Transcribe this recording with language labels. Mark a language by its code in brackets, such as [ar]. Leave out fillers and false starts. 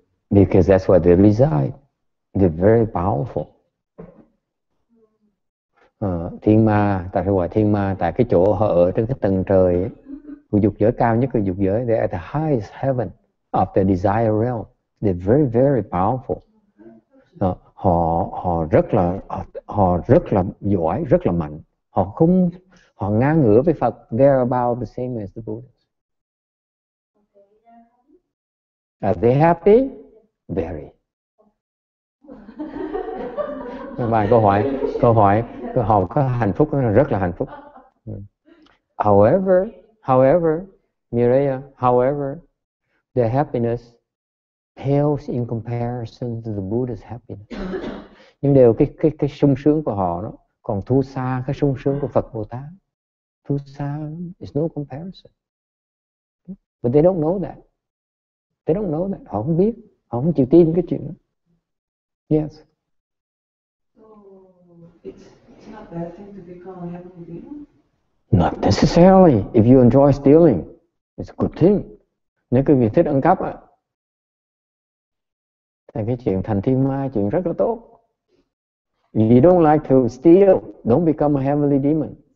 [en] Because that's where they reside. They're very powerful. [vi] Thiên ma, tại sao gọi thiên ma? Tại cái chỗ họ ở trên cái tầng trời, của dục giới cao nhất của dục giới. [en] They're at the highest heaven of the desire realm. They're very very powerful. [vi] Họ rất là giỏi, rất là mạnh. Họ ngang ngửa với Phật. [en] They're about the same as the Buddha. Are they happy? Very. [vi] Bài câu hỏi họ có hạnh phúc, rất là hạnh phúc. [en] However, Mireya, however, their happiness pales in comparison to the Buddha's happiness. [vi] Nhưng đều cái sung sướng của họ đó còn thua xa cái sung sướng của Phật Bồ Tát. Thua xa, [en] it's no comparison. But they don't know that. They don't know that. [vi] Họ không biết, họ không chịu tin cái chuyện đó. [en] Yes. So it's not bad thing to become a heavenly being? Not necessarily. If you enjoy stealing, it's a good thing. [vi] Nếu quý vị thích ăn cắp á, thì cái chuyện thành thiên ma chuyện rất là tốt. [en] If you don't like to steal, don't become a heavenly demon.